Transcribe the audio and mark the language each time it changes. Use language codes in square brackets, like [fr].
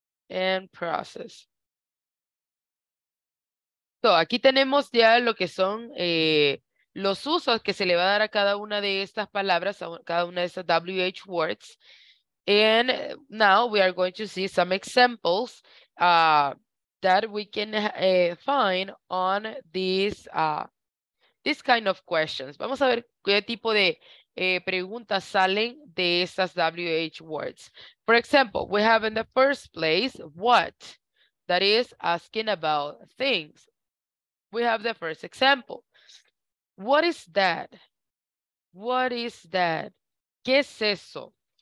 [en] And process. [es] So, aquí tenemos ya lo que son los usos que se le va a dar a cada una de estas palabras, a cada una de estas WH words. [en] And now we are going to see some examples that we can find on this kind of questions. [es] Vamos a ver qué tipo de preguntas salen de estas WH words. [en] For example, we have in the first place, what? That is asking about things. We have the first example. What is that? What is that? [es] ¿Qué es eso?